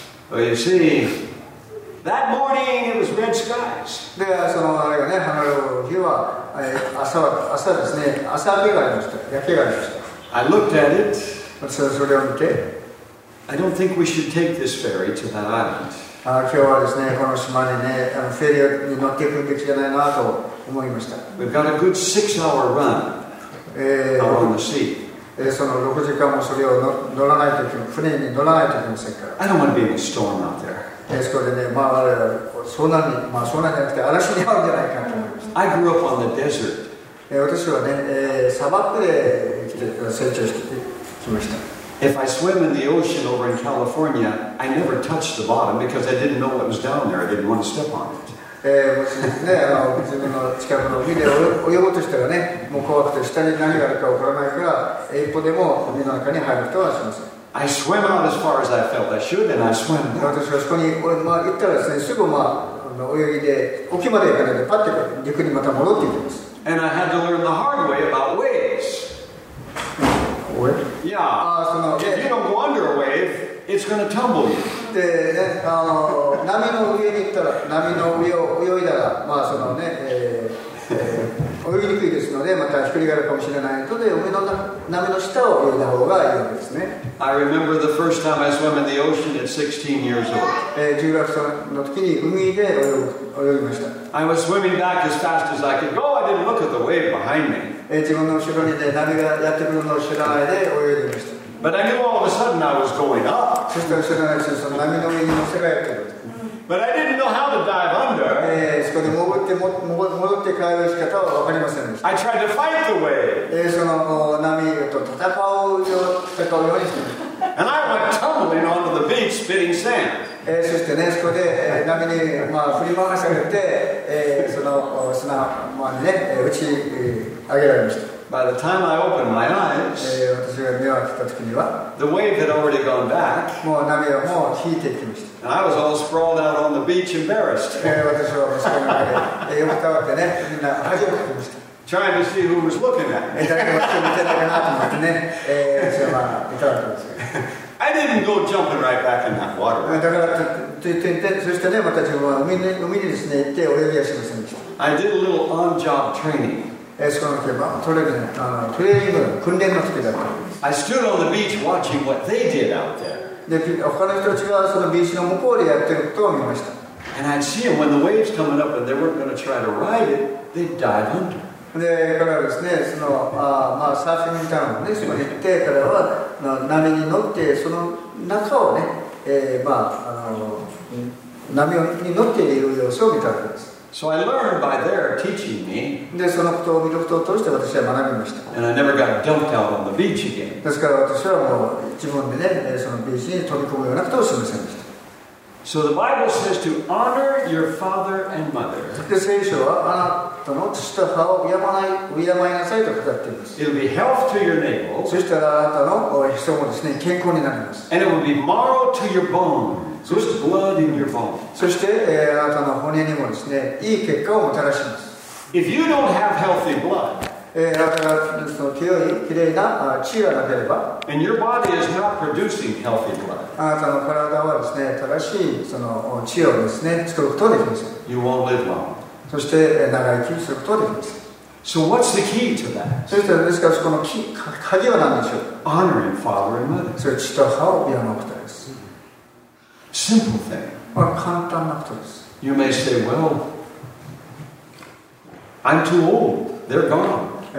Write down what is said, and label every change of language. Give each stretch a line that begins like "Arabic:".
English: That morning it was red skies.
Japanese: で、そのあれがね、晴れる日は、朝ですね、朝日がありました。焼けがありました。
English: I looked at it.
Japanese: 私はそれを見て。
English: I don't think we should take this ferry to that island.
Japanese: 今日はですね、この島にね、フェリーに乗っていくべきじゃないなと思いました。
English: We've got a good 6-hour run out on the sea.
Japanese: その6時間もそれを乗らないときも、船に乗らないときもせんから。
English: I don't want to be in a storm out there.
Japanese: ですからね、まあ、そんなにじゃなくて、嵐に遭うんじゃないかと思います。
English: I grew up on the desert.
Japanese: 私はね、砂漠で成長してきました。
English: If I swim in the ocean over in California, I never touched the bottom because I didn't know what was down there. I didn't want to step on it.
Japanese: もしね、自分の近くの海で泳ごうとしたらね、もう怖くて下に何があるか分からないから、一歩でも海の中に入ることはしません。
English: I swam out as far as I felt I should, and I swam.
Japanese: 私はそこに行ったらですね、すぐ泳いで沖まで行かないで、パッと陸にまた戻っていきます。
English: And I had to learn the hard way about waves. What? Yeah. If you don't go under a wave, it's going to tumble you.
Japanese: で、波の上に行ったら、波の上を泳いだら、泳ぎにくいですので、またひっくり返るかもしれないので、海の波の下を泳いだ方がいいんですね。
English: I remember the first time I swam in the ocean at 16 years old.
Japanese: 16歳の時に海で泳ぎました。
English: I was swimming back as fast as I could go. I didn't look at the wave behind me.
Japanese: 自分の後ろにで波がやってくるのを知らないで泳ぎました。
English: But I knew all of a sudden I was going up.
Japanese: そして後ろにその波の上に乗せがやってくる。
English: But I didn't know how to dive under.
Japanese: そこで潜って戻って帰る仕方は分かりませんでした。
English: I tried to fight the wave.
Japanese: その波と戦うようにしてました。
English: And I went tumbling onto the beach spitting sand.
Japanese: そしてね、そこで波に、まあ、振り回されて、その砂まで、ね、打ち上げられました。
English: By the time I opened my eyes,
Japanese: 私が目を開けた時には、
English: the wave had already gone back.
Japanese: もう波はもう引いていきました。
English: And I was all sprawled out on the beach embarrassed.
Japanese: 私はもうそこまで横たわってね、みんな恥をかきました。
English: Trying to see who was looking at me.
Japanese: 誰かが見てたかなと思ってね、私はまあ、いたわけです。
English: I didn't go jumping right back in that water.
Japanese: だから、そしてね、また自分は海にですね、行って泳ぎはしませんでした。
English: I did a little on-job training.
Japanese: そこの時は、トレーニング、トレーニング、訓練の時だったんです。
English: I stood on the beach watching what they did out there.
Japanese: で、他の人たちがそのビーチの向こうでやってることを見ました。
English: And I'd see them when the waves coming up and they weren't going to try to ride it, they'd dive under.
Japanese: でからですね、そのまあサーフィングタウンですね、行ってからは波に乗ってその中をね、まあ波に乗っている様子を見たわけです。
English: So I learned by their teaching me.
Japanese: でそのことを見ることを通して私は学びました。
English: And I never got dumped out on the beach again.
Japanese: ですから私はもう自分でね、そのビーチに飛び込むようなことをしませんでした。
English: So the Bible says to honor your father and mother.
Japanese: で聖書はあなたの父と母を敬いなさいと語っています。
English: It'll be health to your navel.
Japanese: そしたらあなたの人もですね健康になります。
English: And it will be marrow to your bone. So it's blood in your bone.
Japanese: そしてあなたの骨にもですねいい血管をもたらします。
English: If you don't have healthy blood.
Japanese: あなたの清いきれいな血がなければ
English: And your body is not producing healthy blood.
Japanese: あなたの体はですね正しいその血をですね作ることができます。
English: You won't live long.
Japanese: そして長生きすることができます。
English: So what's the key to that?
Japanese: そしてですからそこの鍵は何でしょう
English: Honoring father and mother.
Japanese: それ血と母を敬うことです。
English: Simple thing.
Japanese: まあ簡単なことです。
English: You may say, well, I'm too old. They're gone.